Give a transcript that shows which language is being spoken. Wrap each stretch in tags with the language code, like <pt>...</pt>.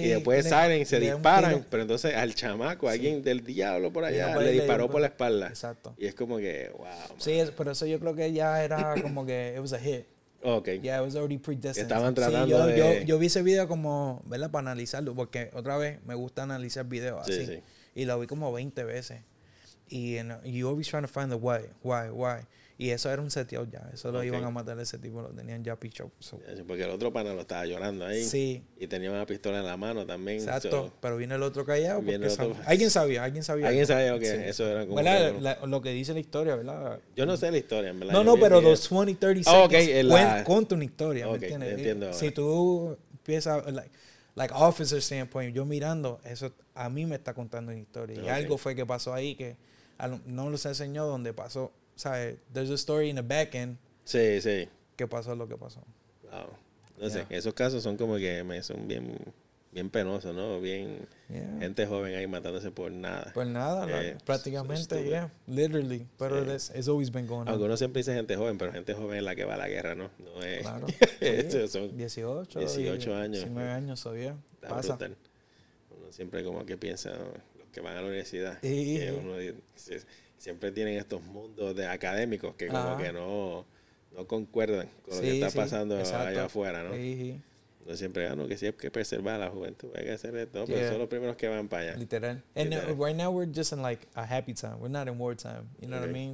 <es>Y después salen, se disparan, pero entonces al chamaco, sí. Alguien del diablo por allá, le disparó por la espalda. Exacto. Y es como que, wow. Sí, pero eso yo creo que ya era como que, it was a hit.</es> <en>Okay. Yeah, it was already predestined.</en> <es>Estaban tratando sí, yo, de... Yo vi ese video como, ¿verdad? Para analizarlo, porque otra vez me gusta analizar videos así. Sí, sí. Y lo vi como 20 veces.</es> <en>Y you always trying to find the why.</en> <es>Y eso era un seteo ya. Eso lo okay. Iban a matar a ese tipo, lo tenían ya picho.</es> <en>So.</en> <es>Porque el otro pana lo estaba llorando ahí. Sí. Y tenía una pistola en la mano también. Exacto. So. Pero viene el otro callado. Porque el otro... Alguien sabía. Alguien sabía que okay. Sí. Eso era como. ¿Verdad? Lo que dice la historia, ¿verdad? Yo no sé la historia, ¿verdad? No, pero los 20, 30 seconds.</es> <en>Oh, okay.</en> <es>Cuenta una historia, okay. ¿Me entiendes? Entiendo. Si tú empiezas, like officer standpoint, yo mirando, eso a mí me está contando una historia. Okay. Y algo fue que pasó ahí que no los enseñó dónde pasó.</es> <en>O sea, there's a story in the back end.</en> <es>Sí, sí. ¿Qué pasó lo que pasó?</es> <en>Wow.</en> <es>No sé, esos casos son como que son bien, bien penosos, ¿no? Bien, gente joven ahí matándose por nada.</es> <en>Por nada, prácticamente, so literally. Pero sí. It's always been going on.</en> <es>Aunque uno siempre dice gente joven, pero gente joven es la que va a la guerra, ¿no? No es. Claro. Sí. Son 18 años. 19 años, so yeah. Pasa. Brutal. Uno siempre como que piensa, ¿no? Los que van a la universidad. Sí. Que uno dice, siempre tienen estos mundos de académicos que como que no concuerdan con lo que está pasando allá afuera, ¿no? Sí. No siempre, ¿no? Que sí hay que preservar a la juventud, hay que hacer esto, pero son los primeros que van para allá. Literal.</es> <en>And right now we're just in like a happy time, we're not in wartime, you know what I mean?</en>